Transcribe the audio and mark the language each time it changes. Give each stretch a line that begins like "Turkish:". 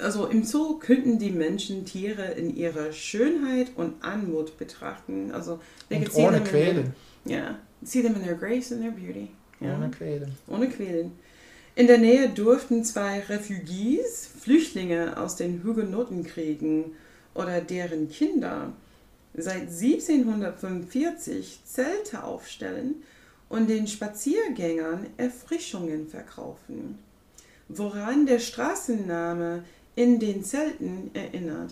German: Im Zoo könnten die Menschen Tiere in ihrer Schönheit und Anmut betrachten. Also, und ohne quälen.
English: Ja, see them in their grace and their beauty. Yeah.
German: Ohne quälen. Ohne quälen. In der Nähe durften zwei Refugees, Flüchtlinge aus den Hugenottenkriegen oder deren Kinder, seit 1745 Zelte aufstellen und den Spaziergängern Erfrischungen verkaufen, woran der Straßenname in den Zelten erinnert.